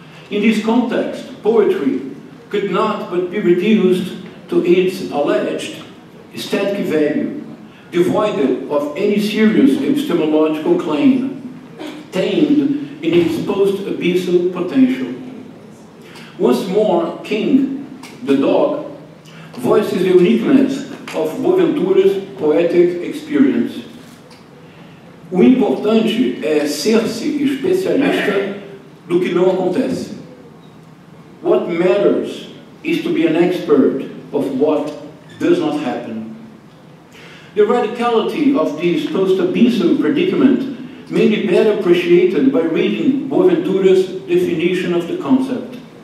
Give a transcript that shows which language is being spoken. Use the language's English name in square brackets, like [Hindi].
[English] In this context, poetry could not but be reduced to its alleged static value, devoid of any serious epistemological claim, tamed in its post-abyssal potential. Once more, King, the dog, voices the uniqueness of Boaventura's poetic experience. [Portuguese] O importante é ser-se especialista do que não acontece. [English] What matters is to be an expert of what does not happen. The radicality of this post-abyssal predicament may be better appreciated by reading Boaventura's definition of the concept.